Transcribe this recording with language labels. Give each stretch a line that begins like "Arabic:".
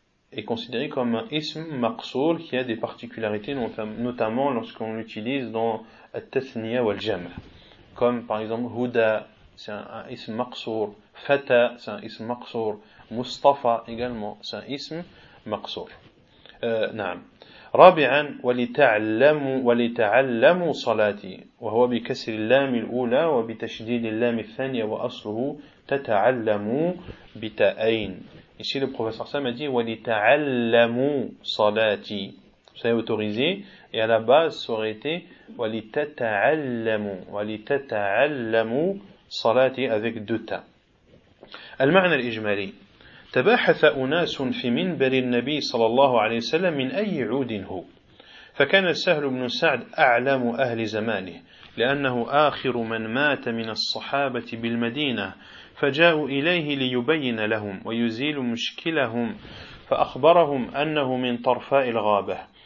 French: est considéré comme un ism maqsoul qui a des particularités, notamment lorsqu'on l'utilise dans al-tathniya ou al-jam'a, comme par exemple huda, c'est un ism maqsoul, fata, c'est un ism maqsoul, mustafa également, c'est un ism maqsoul.
Arabic: رابعا ولتعلموا صلاتي وهو بكسر اللام الأولى وبتشديد اللام الثانية وأصله تتعلموا بتأين.
French: Ici le professeur Sam a dit
Arabic: ولتعلموا صلاتي.
French: Ça est autorisé et à la base ça aurait été
Arabic: ولتتعلموا ولتتعلموا صلاتي
French: avec deux ta.
Arabic: المعنى الإجمالي تباحث أناس في منبر النبي صلى الله عليه وسلم من أي عود هو فكان سهل بن سعد أعلم أهل زمانه لأنه آخر من مات من الصحابة بالمدينة فجاءوا إليه ليبين لهم ويزيل مشكلهم فأخبرهم أنه من طرفاء الغابة